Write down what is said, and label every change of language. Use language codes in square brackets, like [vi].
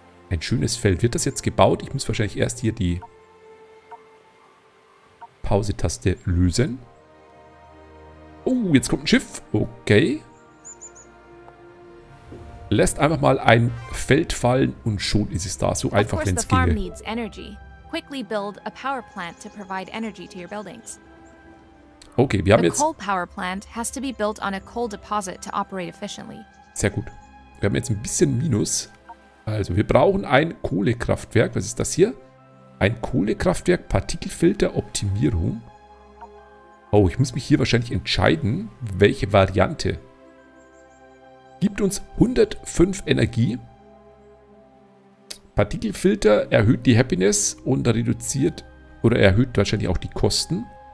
[de] Ein schönes Feld. Wird das jetzt gebaut? Ich muss wahrscheinlich erst hier die Pause-Taste lösen. Oh, jetzt kommt ein Schiff. Okay. Lässt einfach mal ein Feld fallen und schon ist es da. So einfach, wenn es ginge. [en] Quickly build a power plant to provide energy to your buildings. [de] Okay, wir haben jetzt... [en] The coal power plant has to be built on a coal deposit to operate efficiently. [de] Sehr gut. Wir haben jetzt ein bisschen Minus. Also, wir brauchen ein Kohlekraftwerk. Was ist das hier? Ein Kohlekraftwerk, Partikelfilter, Optimierung. Oh, ich muss mich hier wahrscheinlich entscheiden, welche Variante. Gibt uns 105 Energie. Partikelfilter erhöht die Happiness und reduziert oder erhöht wahrscheinlich auch die Kosten.